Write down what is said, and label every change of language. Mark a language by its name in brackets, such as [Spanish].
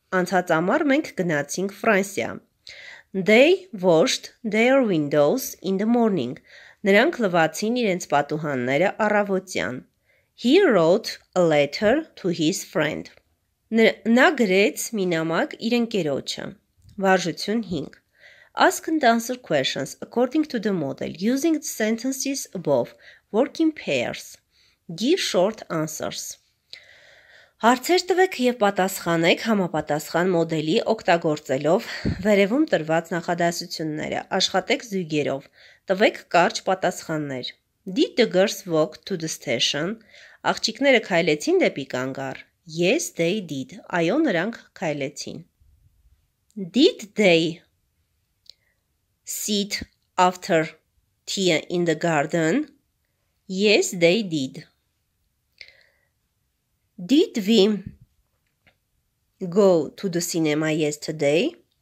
[Armenian] Անցած ամառ մենք գնացինք Ֆրանսիա. [English] They washed their windows in the morning. [Armenian] Նրանք լվացին իրենց պատուհանները առավոտյան. [English] He wrote a letter to his friend. [Armenian] Նա գրեց մի նամակ իր ընկերոջը. Վարժություն 5. [English] Ask and answer questions according to the model using the sentences above. Work in pairs. Give short answers. [Armenian] Հարցեր տվեք և պատասխանեք համապատասխան մոդելի օգտագործելով վերևում տրված նախադասությունները, աշխատեք զույգերով, տվեք կարճ պատասխաններ. [English] Did the girls walk to the station? [Armenian] Աղջիկները քայլեցին դեպի կանգառ. [English] Yes, they did. [Armenian] Այո, նրանք քայլեցին. [English] Did they sit after tea in the garden? Yes, they did. Did we go to the cinema yesterday?